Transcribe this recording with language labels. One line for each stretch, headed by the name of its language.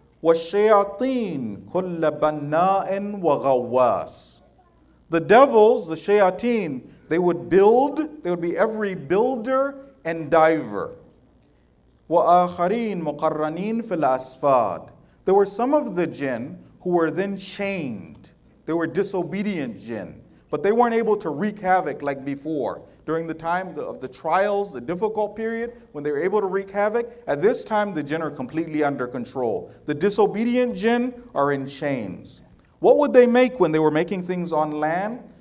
Arabic: والشياطين كل بناء وغواص.
English: The devils, the shayateen, they would build, they would be every builder and diver.
Arabic: وآخرين مقرنين في الأسفاد.
English: There were some of the jinn who were then chained. They were disobedient jinn. But they weren't able to wreak havoc like before. During the time of the trials, the difficult period, when they were able to wreak havoc, at this time the jinn are completely under control. The disobedient jinn are in chains. What would they make when they were making things on land?